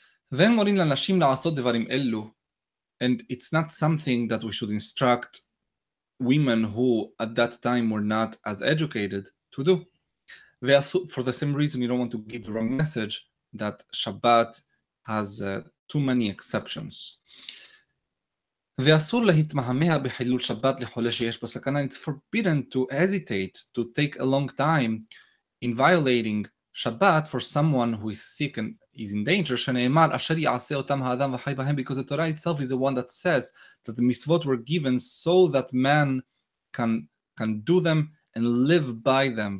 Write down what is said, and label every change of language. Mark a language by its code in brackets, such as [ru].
[en] Then [he] morin lanashim la'asot devarim elu, [en] and it's not something that we should instruct women who at that time were not as educated to do. For the same reason, you don't want to give the wrong message that Shabbat has too many exceptions. [he] ואסור להתמהמה בחילול שבת לחולה שיש בו סכנה. [en] It's forbidden to hesitate, to take a long time in violating Shabbat for someone who is sick and is in danger. [he] שנאמר אשר יעשה אותם האדם וחי בהם, [en] because the Torah itself is the one that says that the mitzvot were given so that man can do them and live by them.